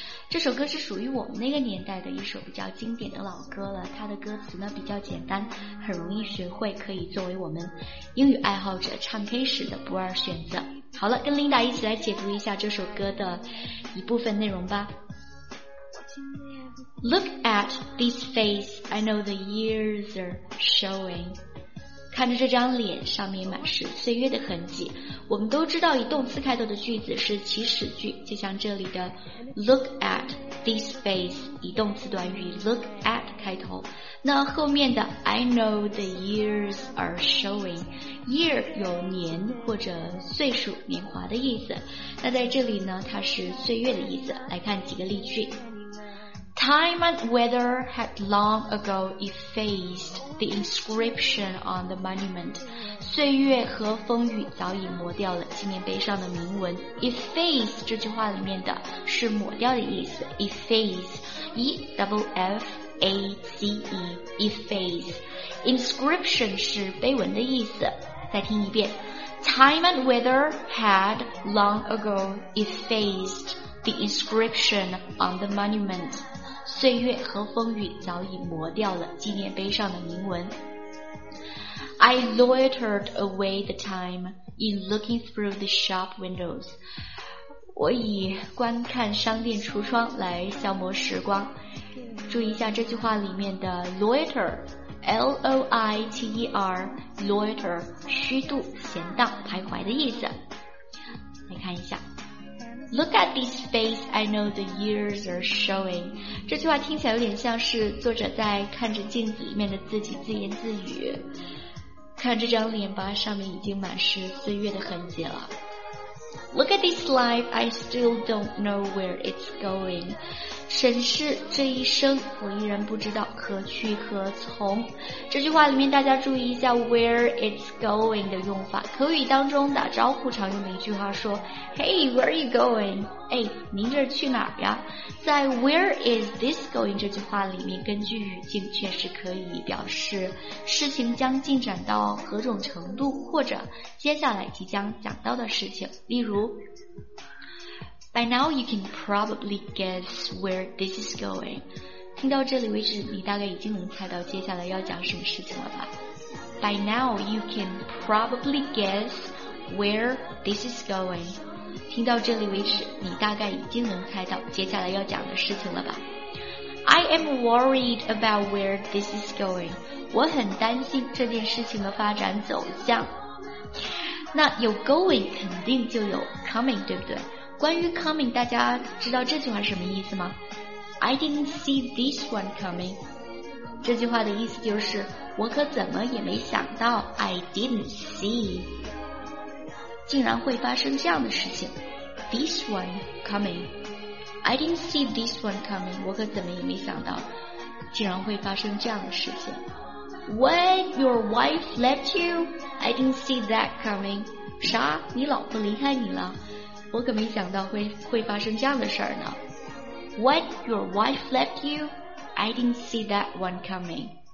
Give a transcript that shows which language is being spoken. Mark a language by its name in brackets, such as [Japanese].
[Chinese] 这首歌是属于我们那个年代的一首比较经典的老歌了，它的歌词呢比较简单，很容易学会，可以作为我们英语爱好者唱 K 时的不二选择。好了，跟 Linda 一起来解读一下这首歌的一部分内容吧。 [English] Look at this face, I know the years are showing. [Chinese] 看着这张脸，上面满是岁月的痕迹。我们都知道以动词开头的句子是祈使句，就像这里的 [English] look at this face， [Chinese] 以动词短语 look at 开头。那后面的 [English] I know the years are showing， [Chinese] year 有年或者岁数、年华的意思。那在这里呢，它是岁月的意思。来看几个例句。 [English] Time and weather had long ago effaced the inscription on the monument. [Chinese] 岁月和风雨早已磨掉了纪念碑上的铭文。 Efface 这句话里面的是抹掉的意思。 [English] Efface, E-F-F-A-C-E, efface. [Chinese] Inscription 是碑文的意思。再听一遍。 [English] Time and weather had long ago effaced the inscription on the monument. [Chinese] 岁月和风雨早已磨掉了纪念碑上的铭文。 [English] I loitered away the time in looking through the shop windows. [Chinese] 我以观看商店橱窗来消磨时光。注意一下这句话里面的 loiter, L-O-I-T-E-R, loiter, 虚度、闲荡、徘徊的意思。来看一下。 [English] Look at this face, I know the years are showing. [Chinese] 这句话听起来有点像是作者在看着镜子里面的自己自言自语。看这张脸吧，上面已经满是岁月的痕迹了。 [English] Look at this life, I still don't know where it's going. [Chinese] 审视这一生，我依然不知道何去何从。这句话里面大家注意一下 [English] where it's going [Chinese] 的用法。口语当中打招呼常用的一句话说 [English] Hey, where are you going? [Chinese] 哎，您这去哪儿呀？在 [English] where is this going [Chinese] 这句话里面，根据语境确实可以表示事情将进展到何种程度，或者接下来即将讲到的事情。例如 [English] By now you can probably guess where this is going. [Chinese] 听到这里为止，你大概已经能猜到接下来要讲什么事情了吧。 [English] By now you can probably guess where this is going. [Chinese] 听到这里为止，你大概已经能猜到接下来要讲的事情了吧。 [English] I am worried about where this is going. [Chinese] 我很担心这件事情的发展走向。那有 going 肯定就有 coming， 对不对？关于 coming， 大家知道这句话是什么意思吗？ [English] I didn't see this one coming。 [Chinese] 这句话的意思就是我可怎么也没想到 [English] I didn't see [Chinese] 竟然会发生这样的事情。 [English] This one coming， I didn't see this one coming， [Chinese] 我可怎么也没想到竟然会发生这样的事情。 [English] When your wife left you, I didn't see that coming. [Chinese] 啥？你老婆离开你了？我可没想到会发生这样的事儿呢。 [English] When your wife left you, I didn't see that one coming.